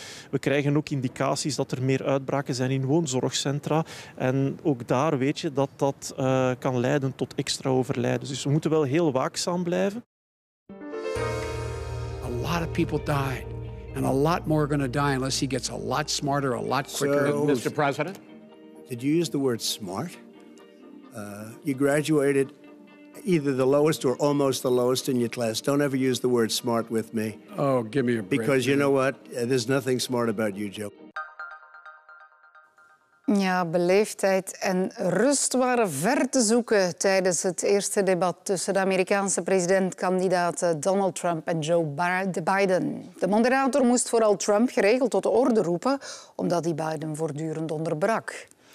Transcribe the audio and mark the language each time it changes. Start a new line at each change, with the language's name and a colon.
Dutch: We krijgen ook indicaties dat er meer uitbraken zijn in woonzorgcentra. En ook daar weet je dat dat kan leiden tot extra overlijdens. Dus we moeten wel heel waakzaam blijven.
English: A lot of people died. And a lot more are going to die unless he gets a lot smarter, a lot quicker. So, Mr. President? Did you use the word smart? You graduated either the lowest or almost the lowest in your class. Don't ever use the word smart with me. Oh, give me a break. Because you know what? There's nothing smart about you, Joe.
Dutch: Ja, beleefdheid en rust waren ver te zoeken tijdens het eerste debat tussen de Amerikaanse presidentkandidaten Donald Trump en Joe Biden. De moderator moest vooral Trump geregeld tot orde roepen, omdat hij Biden voortdurend onderbrak.